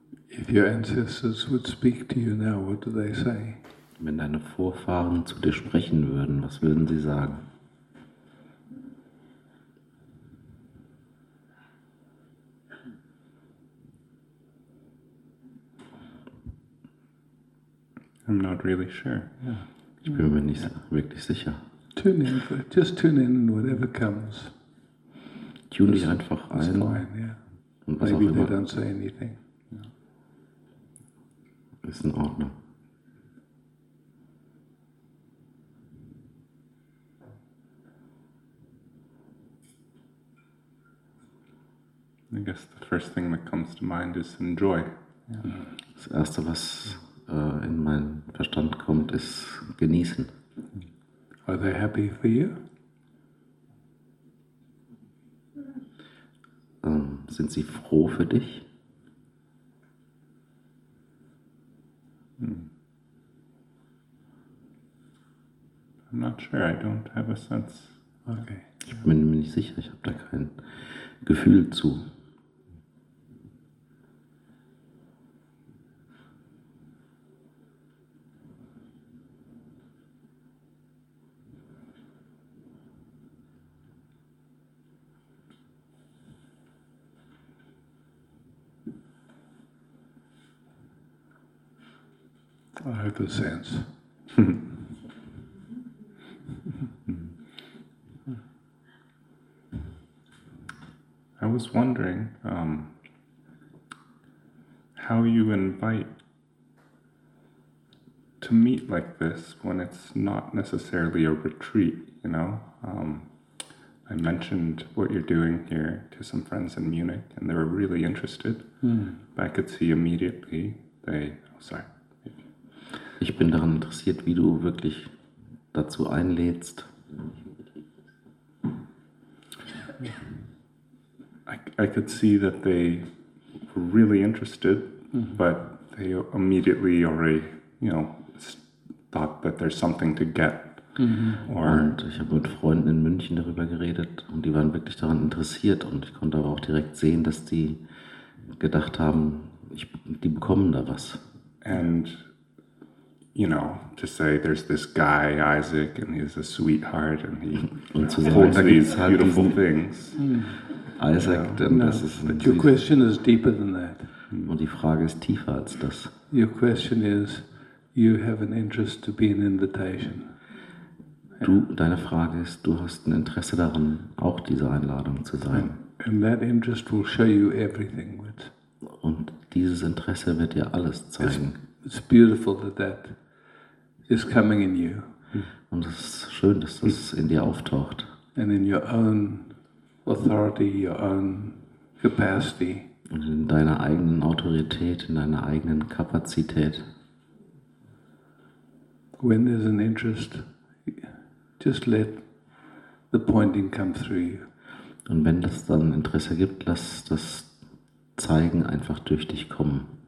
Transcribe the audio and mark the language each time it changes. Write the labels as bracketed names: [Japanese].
[English] If your ancestors would speak to you now, what do they say? [German] Wenn deine Vorfahren zu dir sprechen würden, was würden sie sagen? [English] I'm not really sure. Yeah. [German] Ich bin mir nicht wirklich sicher. [English] Tune in, just tune in and whatever comes. [German] Tune dich einfach ein. [English] It's fine, yeah. Und was maybe auch they immer. Don't say anything. Yeah. [German] Ist in Ordnung. [English] I guess the first thing that comes to mind is enjoy. Yeah. [German] Das erste, was in meinen Verstand kommt, ist genießen. [English] Are they happy for you? [German] Sind sie froh für dich? [English] I'm not sure, I don't have a sense. Okay. [German] Ich bin mir nicht sicher, ich habe da kein Gefühl zu. [English] I have a sense. I was wondering how you invite to meet like this when it's not necessarily a retreat, you know? I mentioned what you're doing here to some friends in Munich and they were really interested. Mm. But I could see immediately they... Oh, sorry. [German] Ich bin daran interessiert, wie du wirklich dazu einlädst. [English] I could see that they were really interested, mm-hmm. but they immediately already, you know, thought that there's something to get. Mm-hmm. [German] Or und ich habe mit Freunden in München darüber geredet und die waren wirklich daran interessiert und ich konnte aber auch direkt sehen, dass die gedacht haben, die bekommen da was. [English] And you know, to say there's this guy, Isaac, and he's a sweetheart, and he holds these beautiful things. [German] Isaac, dann das ist... [English] But your question is deeper than that. [German] Und die Frage ist tiefer als das. [English] Your question is, you have an interest to be an invitation. [German] Deine Frage ist, du hast ein Interesse daran, auch diese Einladung zu sein. [English] And that interest will show you everything. [German] Und dieses Interesse wird dir alles zeigen. [English] It's beautiful that that is coming in you. [German] Und es ist schön, dass das in dir auftaucht. [English] And in your own authority, your own capacity. [German] Und in deiner eigenen Autorität, in deiner eigenen Kapazität. [English] When there's an interest, just let the pointing come through you. [German] Und wenn das dann Interesse gibt, lass das Zeigen einfach durch dich kommen.